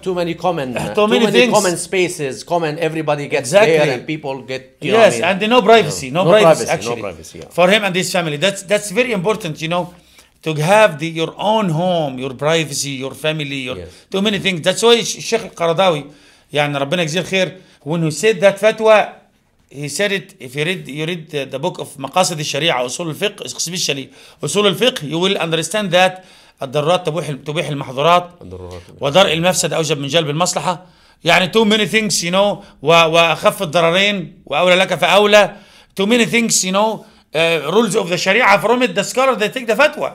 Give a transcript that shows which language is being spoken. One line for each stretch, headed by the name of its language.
English: Too many common too many common spaces, common everybody gets there and people get, you know. Yes, and no privacy, no privacy actually. No privacy, yeah. For him and his family. That's very important, you know, to have your own home, your privacy, your family, your too many things. That's why Sheikh Al-Qaradawi, يعني
Arabic: ربنا يجزيه الخير,
English: when he said that fatwa, he said it, if you read the book of
Arabic: مقاصد الشريعة أصول الفقه
English: اسمي الشريعة أصول الفقه, you will understand that
Arabic: الضرورات تبيح المحظورات ودرء المفسد أوجب من جلب المصلحة. يعني
English: too many things, you know,
Arabic: وأخف الضررين وأولى لك فأولى.
English: Too many things, you know, rules of the شريعة, from it the scholar they take the fatwa.